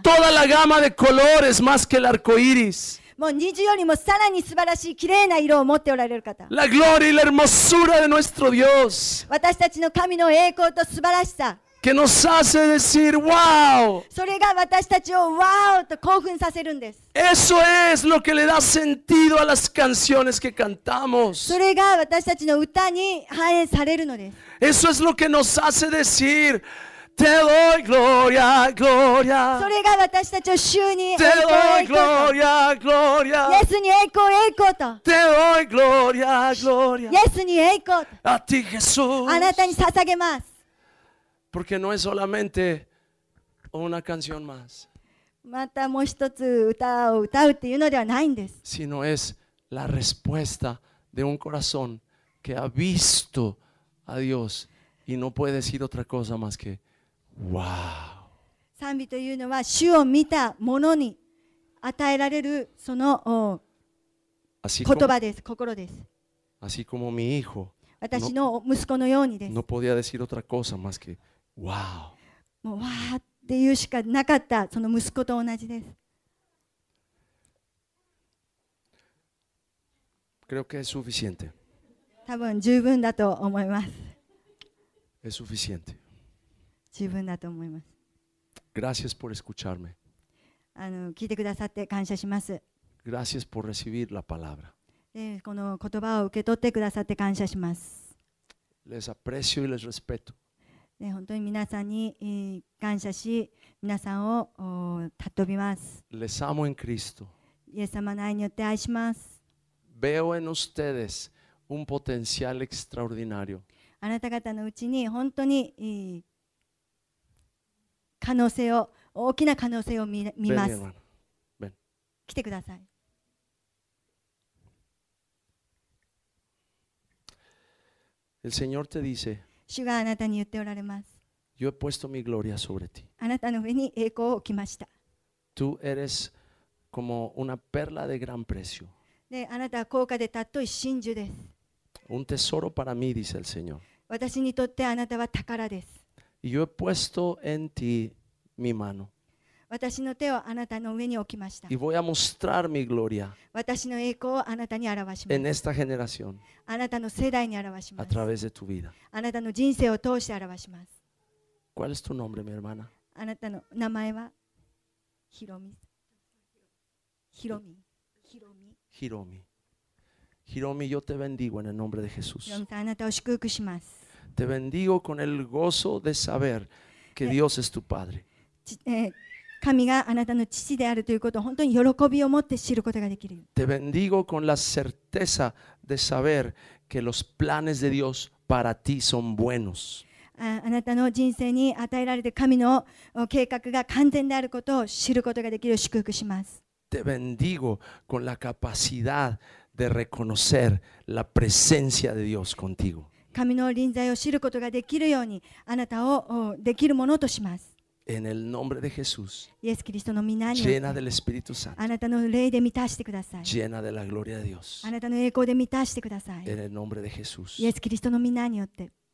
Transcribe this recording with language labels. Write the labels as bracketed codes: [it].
[es] Toda la gama de colores más que el arco iris. [ja] もう虹よりもさらに素晴らしい綺麗な色を持っておられる方。 [es] La gloria y la hermosura de nuestro Dios。 [ja] 私たちの神の栄光と素晴らしさ。 [es] Que nos hace decir wow。 [ja] それが私たちをわーおと興奮させるんです。 [es] Eso es lo que le da sentido a las canciones que cantamos。 [ja] それが私たちの歌に反映されるのです。 [es] Eso es lo que nos hace decir。 Te doy gloria, gloria. [ja] それが私たちを主に [es] Te doy gloria, gloria. [ja] イエスに栄光栄光と [es] Te doy gloria, gloria. [ja] イエスに栄光と [es] A ti, Jesús. [ja] あなたに捧げます [es] Porque no es solamente una canción más. [ja] またもう一つ歌を歌うっていうのではないんです [es] Sino es la respuesta de un corazón que ha visto a Dios y no puede decir otra cosa más que Wow. [ja] 賛美というのは主を見た者に与えられるその言葉です心です [es] así como mi hijo, [ja] 私の息子のようにです [es] no podía decir otra cosa más que, wow. [ja] もうわーって言うしかなかったその息子と同じです [es] Creo que es suficiente. [ja] 多分十分だと思います [es] es suficiente. [ja] 十分だと思います。 [es] Gracias por escucharme. [ja] 聞いてくださって感謝します。 [es] Gracias por recibir la palabra. [ja] この言葉を受け取ってくださって感謝します。 [es] Les aprecio y les respeto. [ja] 本当に皆さんに感謝し、皆さんを尊びます。 [es] Les amo en Cristo. [ja] イエス様の愛によって愛します。 [es] Veo en ustedes un potencial extraordinario. [ja] あなた方のうちに本当に可能性を大きな可能性を 見ます来てください [es] El Señor te dice, [ja] 主があなたに言っておられます [es] Yo he puesto mi gloria sobre ti. [ja] あなたの上に栄光を置きました [es] Tú eres como una perla de gran precio. [ja] であなたは高価でたっとい真珠です [es] Un tesoro para mí, dice el Señor. [ja] 私にとってあなたは宝です [es] Yo he puesto en ti mi mano. [ja] 私の手をあなたの上に置きました。 [es] Y voy a mostrar mi gloria. [ja] 私の栄光をあなたに表します。 [es] En esta generación. [ja] あなたの世代に表します。 [es] A través de tu vida. [ja] あなたの人生を通して表します。 [es] ¿Cuál es tu nombre, mi hermana? [ja] あなたの名前はひろみ。ひろみ。ひろみ。ひろみ。 [es] ひろみ、yo te bendigo en el nombre de Jesús. [ja] ひろみさん、あなたを祝福します。 [es] Te bendigo con el gozo de saber que Dios es tu Padre. [ja] 神があなたの父であるということを本当に喜びを持って知ることができる。 [es] Te bendigo con la certeza de saber que los planes de Dios para ti son buenos. [ja] あなたの人生に与えられて神の計画が完全であることを知ることができる祝福します。 [es] Te bendigo con la capacidad de reconocer la presencia de Dios contigo. [ja] 神の臨在を知ることができるようにあなたをできるものとします。 [es] En el nombre de Jesús, [ja] イエス・キリストの御名に、 [es] llena del Espíritu Santo, [ja] あなたの霊で満たしてください。 [es] Llena de la gloria de Dios, [ja] あなたの栄光で満たしてください。 [es] En el nombre de Jesús, [ja] イエス・キリストの御名によって。